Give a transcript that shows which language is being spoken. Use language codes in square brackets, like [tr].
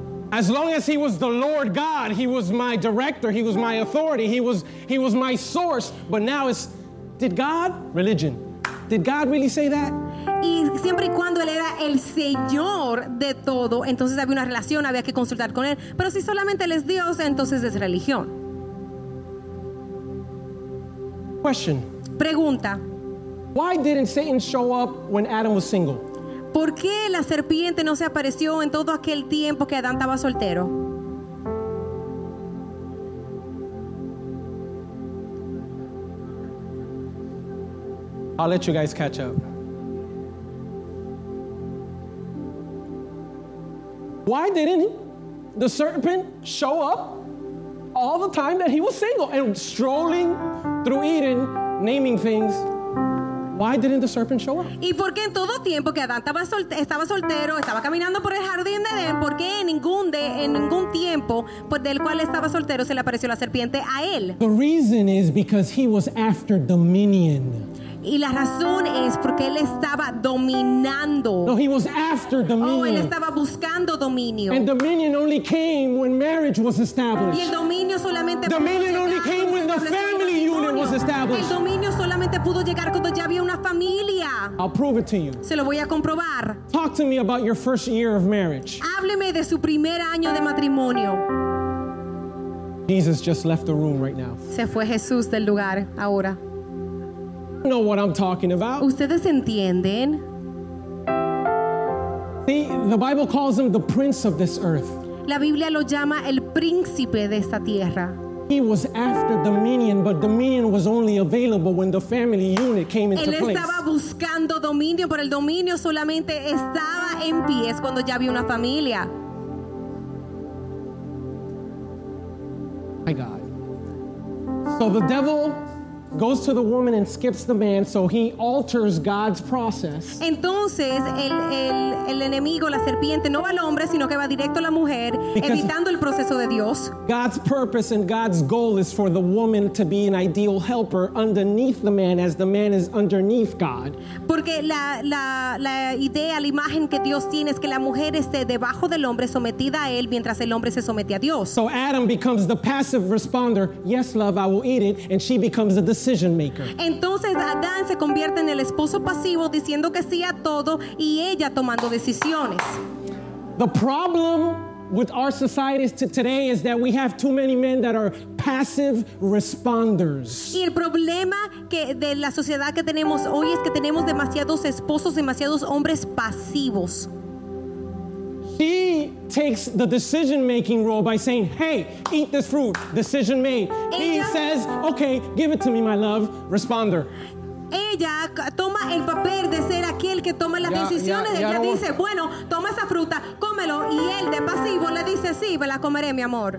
[en] As long as he was the Lord God, he was my director, he was my authority, he was my source. But now it's, did God? Religion. Did God really say that? [es] Y siempre y cuando él era el Señor de todo, entonces había una relación, había que consultar con él. Pero si solamente él es Dios, entonces es religión. [en] Question. [es] Pregunta. [en] Why didn't Satan show up when Adam was single? [es] ¿Por qué la serpiente no se apareció en todo aquel tiempo que Adán estaba soltero? [en] I'll let you guys catch up. Why didn't the serpent show up all the time that he was single and strolling through Eden, naming things. Why didn't the serpent show up? [es] ¿Y por qué en todo tiempo que Adán estaba soltero, estaba caminando por el jardín de Edén, por qué en ningún tiempo por del cual estaba soltero se le apareció la serpiente a él? [en] The reason is because he was after dominion. [es] Y la razón es porque él estaba dominando. [en] No, he was after dominion. [es] Oh, él estaba buscando dominio. [en] And dominion only came when marriage was established. [es] Y el dominio solamente [en] dominion only came when the family unit was established. [es] El dominio solamente pudo llegar cuando ya había una familia. [en] I'll prove it to you. [es] Se lo voy a comprobar. [en] Talk to me about your first year of marriage. [es] Hábleme de su primer año de matrimonio. [en] Jesus just left the room right now. [es] Se fue Jesús del lugar ahora. [en] Know what I'm talking about? [es] ¿Ustedes entienden? [en] See, the Bible calls him the prince of this earth. [es] La Biblia lo llama el príncipe de esta tierra. [en] He was after dominion, but dominion was only available when the family unit came into place. [es] Él estaba buscando dominio, pero el dominio solamente estaba en pie cuando ya había una familia. [en] My God. So the devil goes to the woman and skips the man, so he alters God's process. [es] Entonces el enemigo, la serpiente, no va al hombre, sino que va directo a la mujer, evitando el proceso de Dios. [en] God's purpose and God's goal is for the woman to be an ideal helper underneath the man, as the man is underneath God. [es] Porque la idea, la imagen que Dios tiene es que la mujer esté debajo del hombre, sometida a él, mientras el hombre se somete a Dios. [en] So Adam becomes the passive responder. Yes, love, I will eat it, and she becomes the decision maker. [es] Entonces Adán se convierte en el esposo pasivo diciendo que sí a todo y ella tomando decisiones. [en] The problem with our societies today is that we have too many men that are passive responders. [es] Y el problema que de la sociedad que tenemos hoy es que tenemos demasiados esposos, demasiados hombres pasivos. [en] She takes the decision-making role by saying, hey, eat this fruit, decision made. He says, okay, give it to me, my love, responder. [es] Ella toma el papel de ser aquel que toma las decisiones. Ella dice, bueno, toma esa fruta, cómelo. Y él de pasivo le dice, sí, me la comeré, mi amor.